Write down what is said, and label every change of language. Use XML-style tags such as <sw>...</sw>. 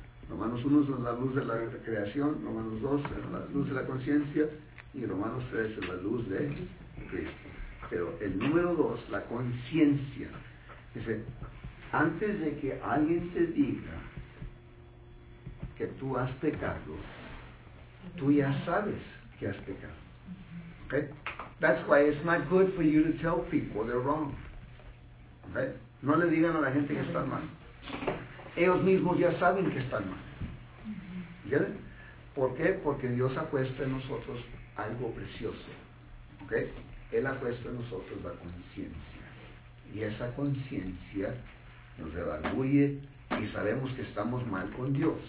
<es>Romanos 1 es la luz de la creación, Romanos 2 es la luz de la conciencia y Romanos 3 es la luz de Cristo. Pero el número 2, la conciencia, dice, antes de que alguien te diga que tú has pecado, tú ya sabes que has pecado. Okay?</es> <en>That's why it's not good for you to tell people they're wrong. Okay?</en> <es>No le digan a la gente que están mal. Ellos mismos ya saben que están mal. ¿Entienden? ¿Por qué? Porque Dios ha puesto en nosotros algo precioso. ¿Ok? Él ha puesto en nosotros la conciencia. Y esa conciencia nos evaluye y sabemos que estamos mal con Dios.</es>